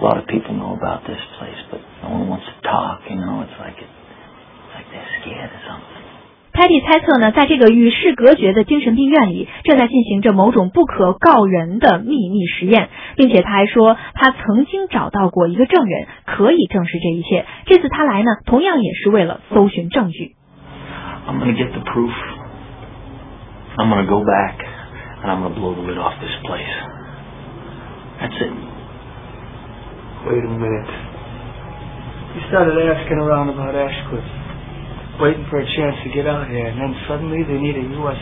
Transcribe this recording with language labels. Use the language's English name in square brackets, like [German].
[English] A lot of people know about this place, but no one wants to talk. You know, it's like they're scared or something. [Chinese] Teddy 猜测呢，在这个与世隔绝的精神病院里，正在进行着某种不可告人的秘密实验，并且他还说，他曾经找到过一个证人，可以证实这一切。这次他来呢，同样也是为了搜寻证据。 [English] I'm gonna get the proof. I'm gonna go back, and I'm gonna blow the lid off this place. That's it. Wait a minute. You started asking around about Ashcliff. Waiting for a chance to get out here, and then suddenly they need a U.S.